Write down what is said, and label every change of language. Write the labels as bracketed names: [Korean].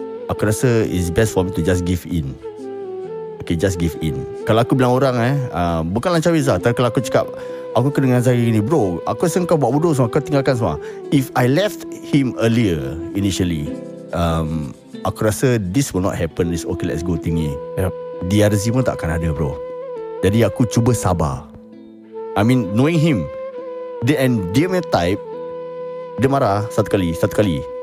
[Malay] aku rasa [English] it's best for me to just give in. Okay, just give in. [Malay] Kalau aku bilang orang bukanlah macam Rizal, tapi kalau aku cakap aku kena dengan Zahir ni, bro, aku rasa kau buat bodoh semua, kau tinggalkan semua. [English] If I left him earlier, initially, [Malay] aku rasa [English] this will not happen, this okay let's go thingy. Yep. [Malay] Dia rezim pun tak akan ada, bro. Jadi aku cuba sabar. [English] I mean, knowing him, and [Malay] dia punya type, dia marah satu kali, satu kali.